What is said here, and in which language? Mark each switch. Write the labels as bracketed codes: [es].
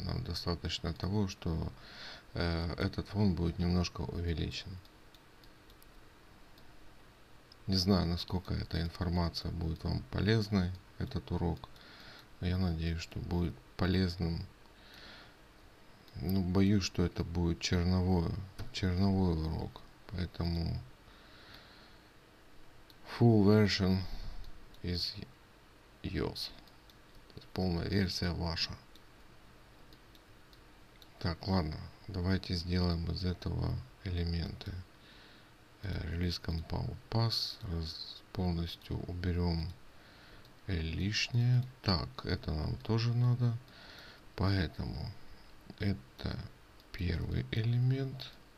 [ru] Нам достаточно того, что этот фон будет немножко увеличен. Не знаю, насколько эта информация будет вам полезной, этот урок. Но я надеюсь, что будет полезным. Ну, боюсь, что это будет черновой урок. Поэтому [en] full version is yours. [ru] То есть полная версия ваша. Так, ладно. Давайте сделаем из этого элементы. [en] Release compound pass. [ru] Полностью уберем лишнее. Так, это нам тоже надо. Поэтому это первый элемент.